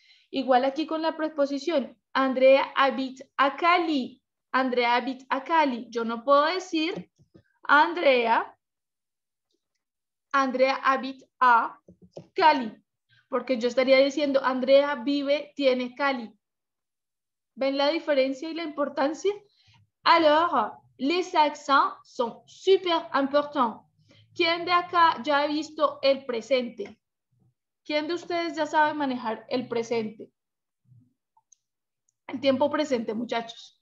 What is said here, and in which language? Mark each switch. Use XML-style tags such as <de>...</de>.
<es>Igual aquí con la preposición,</es> <fr>Andrea habite a Cali,</fr> <es>Andrea habite a Cali. Yo no puedo decir</es> <fr>Andrea habite a Cali,</fr> <es>porque yo estaría diciendo Andrea vive, tiene Cali. ¿Ven la diferencia y la importancia?</es> <fr>Alors, les accents sont super importants.</fr> <es>¿Quién de acá ya ha visto el presente? ¿Quién de ustedes ya sabe manejar el presente? El tiempo presente, muchachos.</es>